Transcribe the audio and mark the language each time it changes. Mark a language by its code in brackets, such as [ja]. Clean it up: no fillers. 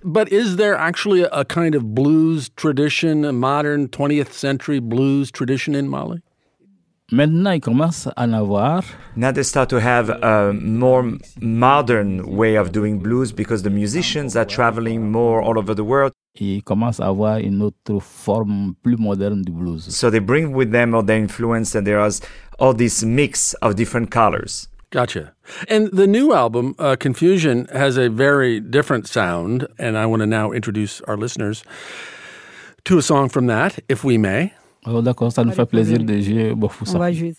[en] But is there actually a kind of blues tradition, a modern 20th century blues tradition in Mali? [fr] Maintenant, il commence à en avoir. [en] Now they start to have a more modern way of doing blues because the musicians are traveling more all over the world. [fr] Il commence à avoir une autre forme plus moderne du blues. [en] So they bring with them all their influence, and there is all this mix of different colors. Gotcha. And the new album, Confusion, has a very different sound, and I want to now introduce our listeners to a song from that, if we may. [fr] Oh, d'accord, ça nous fait plaisir de jouer Bofou ça.